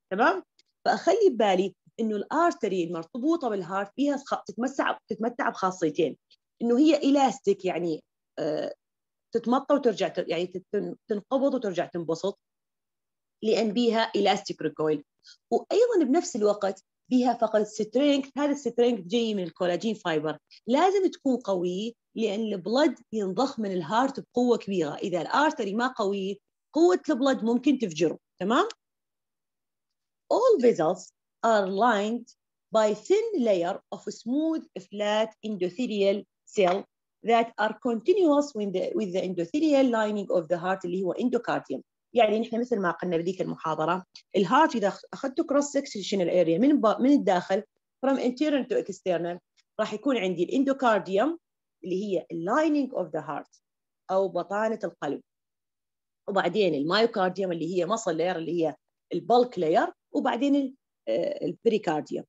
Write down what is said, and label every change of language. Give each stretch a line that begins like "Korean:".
Arabic: تمام؟ فأخلي ببالي إنه الأرتري المرتبطة بالهارت فيها تتمتع بخاصيتين، إنه هي إلاستيك يعني تتمطى وترجع يعني تنقبض وترجع تنبسط لأن بيها إلاستيك ريكويل، وأيضاً بنفس الوقت بيها فقط سترينك. هذا السترينك جاي من الكولاجين فايبر، لازم تكون قوي لأن البلد ينضخ من الهارت بقوة كبيرة. إذا الأرتري ما قوي قوة البلد ممكن تفجره. تمام؟
English: All vessels are lined by thin layer of smooth flat endothelial cell that are continuous with the endothelial lining of the heart
Arabic: اللي هو
English: endocardium.
Arabic: يعني نحن مثل ما قلنا بديك المحاضرة الهارت إذا أخذت
English: cross sectional area
Arabic: من الداخل
English: from internal to external
Arabic: راح يكون عندي الendocardium اللي هي
English: lining of the heart
Arabic: أو بطانة القلب، وبعدين الميوكارديوم اللي هي
English: muscle layer
Arabic: اللي هي البلك layer، وبعدين البريكارديوم.